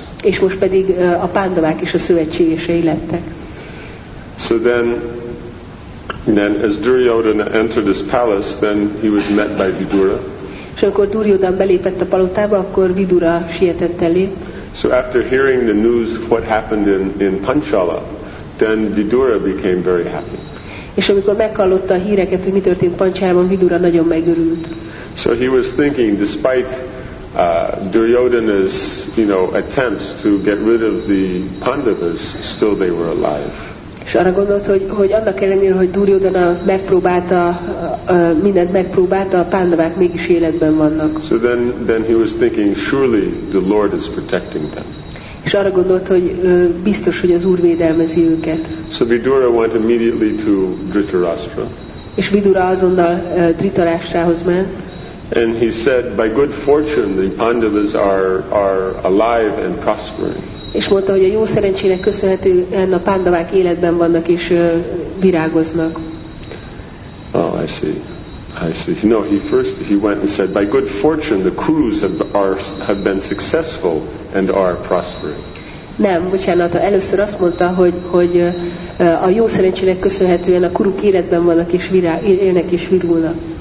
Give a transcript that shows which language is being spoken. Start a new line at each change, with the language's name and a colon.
Hungarian: És most pedig a pándavák is a szövetségesei lettek.
English: So then as Duryodhana entered his palace, then he was met by Vidura.
Hungarian: És amikor Duryodhana belépett a palotába, akkor Vidura sietett elé.
English: So after hearing the news of what happened in Panchala, then Vidura became very happy.
Hungarian: És amikor meghallotta a híreket, hogy mi történt Panchalában, Vidura nagyon megörült.
English: So he was thinking, despite Duryodhana's, you know, attempts to get rid of the Pandavas, still they were alive.
Hungarian: És arra gondolt, hogy annak ellenére, hogy Duryodhana megpróbálta, mindent megpróbálta, a pándavák mégis életben vannak.
English: So then he was thinking, surely the Lord is protecting them.
Hungarian: És arra gondolt, hogy biztos, hogy az Úr védelmezi őket.
English: So Vidura went immediately to Dhritarashtra.
Hungarian: És Vidura azonnal Dhritarashtrához ment.
English: And he said, by good fortune, the Pandavas are alive and prospering.
Hungarian: És mondta, hogy a jó szerencsének köszönhetően a pándavák életben vannak és virágoznak.
English: Oh, I see. No, he went and said, by good fortune, the crews have been successful and are prospering.
Hungarian: Nem, bocsánat, először azt mondta, hogy a jó szerencsének köszönhetően a kuruk életben vannak és élnek és virulnak.